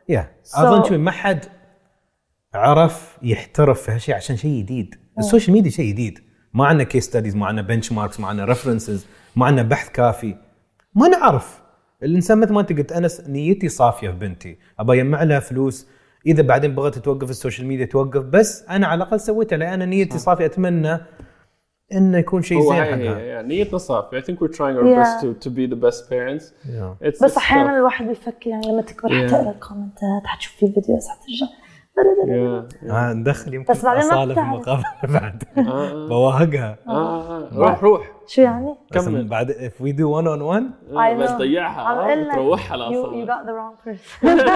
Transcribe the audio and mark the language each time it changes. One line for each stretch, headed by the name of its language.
Arabic: يا اظن شو ما حد عرف يحترف في هالشيء عشان شيء جديد السوشيال ميديا شيء جديد ما عندنا كيس ستاديز ما عندنا بنش ماركس ما عندنا ريفرنسز ما عندنا بحث كافي ما نعرف الانسان مثل ما انت قلت انس نيتي صافيه في بنتي ابى يجمع لها فلوس اذا بعدين بغت توقف السوشيال ميديا توقف بس انا على الاقل سويتها لان نيتي صافيه اتمنى انه يكون شيء زين حقها نيتنا صافيه
English: I think we're trying our best to be the best parents
Arabic: بس احيانا الواحد بيفكر يعني لما تكبر حتقرا الكومنتات حتشوف في فيديوهات حترجع ندخل يمكن أصالة في المقابلة بعد بواهقها روح شو يعني؟ كمل بعد
English: if we do one on one
Arabic: بس ضيعها تروحها لأصالة
English: you got the wrong person